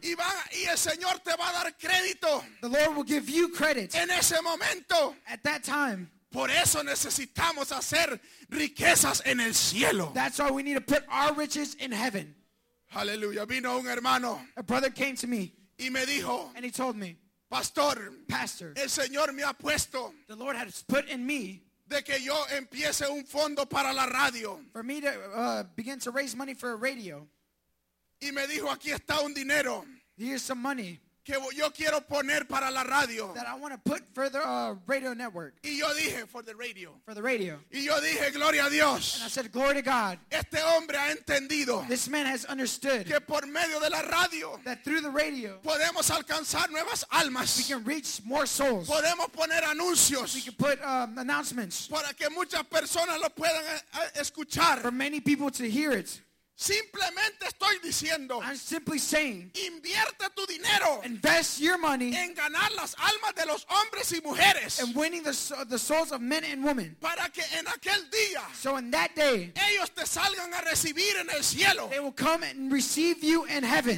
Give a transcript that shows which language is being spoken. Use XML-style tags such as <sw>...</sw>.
<es>Y el Señor te va a dar crédito.</es> <en>The Lord will give you credit.</en> <es>En ese momento.</es> <en>At that time.</en> <es>Por eso necesitamos hacer riquezas en el cielo.</es> <en>That's why we need to put our riches in heaven.</en> <es>Hallelujah. Vino un hermano.</es> <en>A brother came to me.</en> <es>Y me dijo.</es> <en>And he told me.</en> <es>Pastor.</es> <en>Pastor.</en> <es>El Señor me ha puesto.</es> <en>The Lord has put in me.</en> <es>De que yo empiece un fondo para la radio.</es> <en>For me to begin to raise money for a radio.</en> <es>Y me dijo, aquí está un dinero.</es> <en>Here's some money.</en> <es>Que yo quiero poner para la radio.</es> <en>That I want to put for the radio network.</en> <es>Y yo dije,</es> <en>for the radio. For the radio.</en> <es>Y yo dije, gloria a Dios.</es> <en>And I said, glory to God.</en> <es>Este hombre ha entendido.</es> <en>This man has understood.</en> <es>Que por medio de la radio.</es> <en>That through the radio.</en> <es>Podemos alcanzar nuevas almas.</es> <en>We can reach more souls.</en> <es>Podemos poner anuncios.</es> <en>We can put announcements.</en> <es>Para que muchas personas lo puedan escuchar.</es> <en>For many people to hear it.</en> <es>Simplemente estoy diciendo,</es> <en>I'm simply saying,</en> <es>invierte tu dinero,</es> <en>invest your money,</en> <es>en ganar las almas de los hombres y mujeres,</es> <en>and winning the souls of men and women,</en> <es>para que en aquel día,</es> <en>so in that day,</en> <es>ellos te salgan a recibir en el cielo,</es> <en>they will come and receive you in heaven,</en>